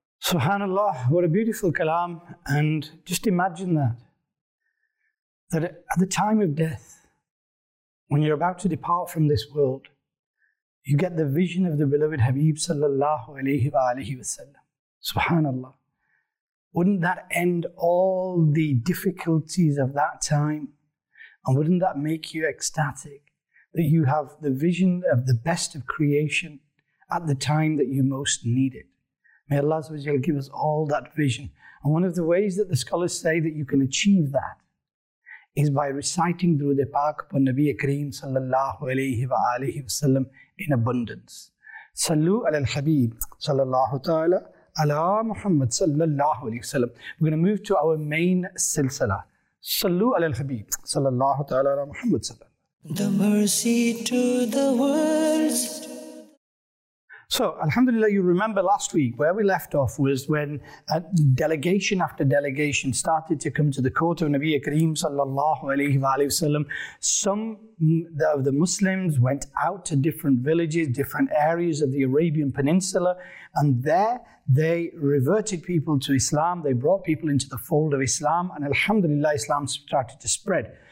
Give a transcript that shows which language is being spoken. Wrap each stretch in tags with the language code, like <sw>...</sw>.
<en>سبحان اللہ what a beautiful kalam and just imagine that at the time of death when you're about to depart from this world you get the vision of the beloved Habib sallallahu alayhi wa alihi wasallam سبحان اللہ wouldn't that end all the difficulties of that time And wouldn't that make you ecstatic that you have the vision of the best of creation at the time that you most need it? May Allah give us all that vision. And one of the ways that the scholars say that you can achieve that is by reciting Durood Pak upon Nabi Akram sallallahu alayhi wa alihi wasallam in abundance.</en> <ar>صلو علی الحبیب صلی اللہ تعالی علی محمد صلی اللہ علیہ وسلم.</ar> <en>We're going to move to our main سلسلہ.</en> <ar>صلو علی الحبیب صلی اللہ تعالی علی محمد صلی اللہ علیہ وسلم.</ar> <en>The mercy to the world. So, alhamdulillah, you remember last week where we left off was when delegation after delegation started to come to the court of Nabi Kareem sallallahu alayhi wa alayhi wa sallam. Some of the Muslims went out to different villages, different areas of the Arabian Peninsula, and there they reverted people to Islam, they brought people into the fold of Islam, and alhamdulillah, Islam started to spread.</en>